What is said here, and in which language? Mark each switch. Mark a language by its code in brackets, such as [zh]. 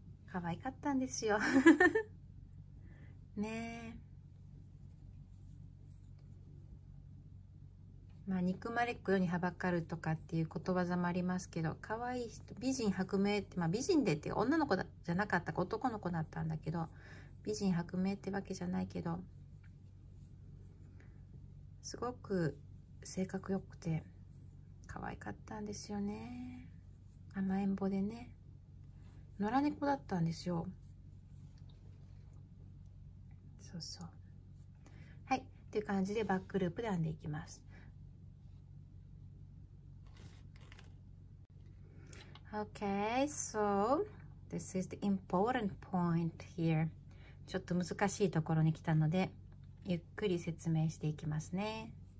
[ja] 可愛かったんですよねえ、まあ憎まれっこよにはばかるとかっていう言葉もありますけど、可愛い人、美人薄命って、まあ美人でって女の子じゃなかった、男の子だったんだけど、美人薄命ってわけじゃないけど、すごく性格よくて可愛かったんですよね。甘えん坊でね、野良猫だったんですよ。そうそう、はい、っていう感じでバックループで編んでいきます。 [en] OK, so this is the important point here. [ja] ちょっと難しいところに来たのでゆっくり説明していきますね。